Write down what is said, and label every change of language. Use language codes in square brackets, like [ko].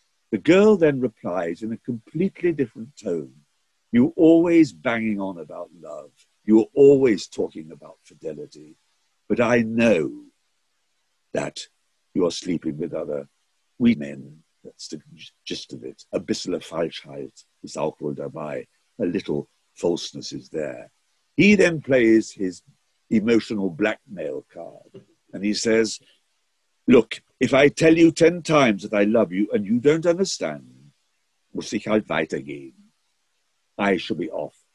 [en] The girl then replies in a completely different tone. You're always banging on about love. You're always talking about fidelity. But I know that you are sleeping with other wee men. That's the gist of it. [de] A bissel of Falschheit ist auch wohl dabei. [en] A little falseness is there. He then plays his emotional blackmail card. And he says, look, if I tell you 10 times that I love you and you don't understand, [de] muss ich halt weitergehen. [en] I shall be off.